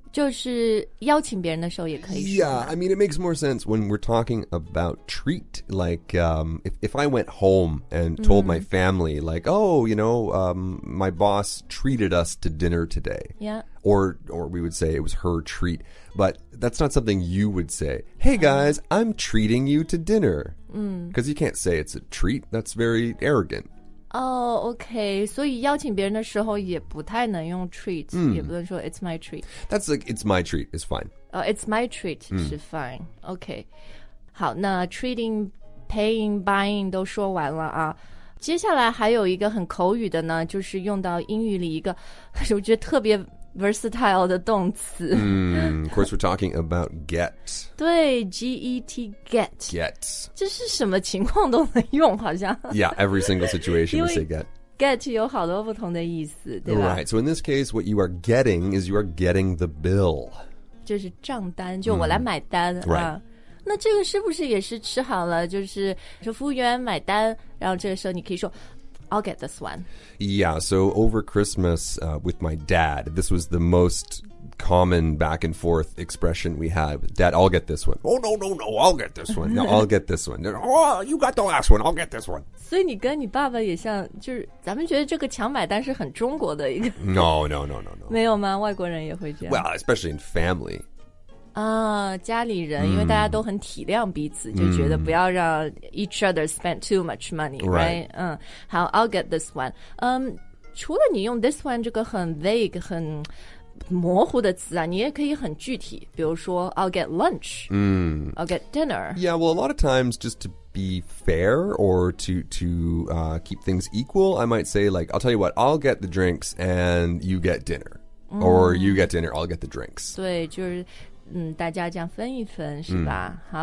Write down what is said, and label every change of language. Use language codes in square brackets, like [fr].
[zh] 就是邀请别人的时候也可以说。 [en] Yeah, I mean, it makes more sense when we're talking about treat, like, if I went home and told my family, like, oh, you know, my boss treated us to dinner today. Yeah. Or we would say it was her treat. But that's not something you would say. Hey guys, I'm treating you to dinner. Because you can't say it's a treat. That's very arrogant. Oh, okay. [zh] 所以邀请别人的时候也不太能用 treat,、mm. 也不能说 [en] it's my treat. That's like, it's my treat, it's fine. Oh, it's my treat,、 [zh] mm. 是 fine. Okay. 好，那 treating, paying, buying 都说完了啊。接下来还有一个很口语的呢，就是用到英语里一个我觉得特别versatile 的动词、 [en] mm, of course we're talking about get [zh] 对 G-E-T get [en] get [zh] 这是什么情况都能用好像 [en] yeah every single situation we say get [zh] get 有好多不同的意思对吧 [en] right so in this case what you are getting is you are getting the bill [zh] 就是账单就我来买单、mm. 啊、 [en] right [zh] 那这个是不是也是吃好了就是说服务员买单然后这个时候你可以说 [en] I'll get this one. Yeah, so over Christmas、with my dad, this was the most common back and forth expression we had. Dad, I'll get this one. Oh, no, no, no, I'll get this one. No, I'll get this one. Oh, you got the last one, I'll get this one. [zh] 所以你跟你爸爸也像就是咱们觉得这个抢买单是很中国的一个 [en] No. [zh] 没有吗外国人也会这样 [en] Well, especially in family. [zh] 家里人、mm. 因为大家都很体谅彼此、mm. 就觉得不要让 [en] each other spend too much money, right? right? [zh] 好 [en] I'll get this one.、 [zh] 除了你用 this one 这个很 vague, 很模糊的词啊你也可以很具体比如说 [en] I'll get lunch,、 mm. I'll get dinner. Yeah, well, a lot of times just to be fair or to keep things equal, I might say like, I'll tell you what, I'll get the drinks and you get dinner.、Mm. Or you get dinner, I'll get the drinks. [zh] 对就是嗯，大家这样分一分是吧、嗯？